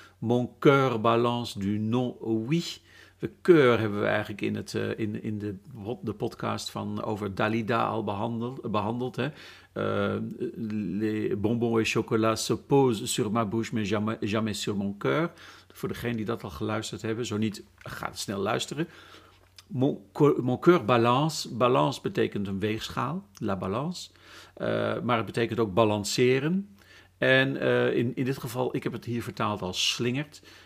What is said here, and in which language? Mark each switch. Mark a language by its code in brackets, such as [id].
[fr] Mon cœur balance du non oui. [nl] De cœur hebben we eigenlijk in, het, in de podcast van over Dalida al behandeld. Hè. [fr] Les bonbons et chocolat se posent sur ma bouche, mais jamais sur mon cœur. [nl] Voor degene die dat al geluisterd hebben, zo niet, ga snel luisteren. [fr] Mon cœur balance. [nl] Balance betekent een weegschaal, [fr] la balance. [nl] Maar het betekent ook balanceren. En in dit geval, ik heb het hier vertaald als slingert.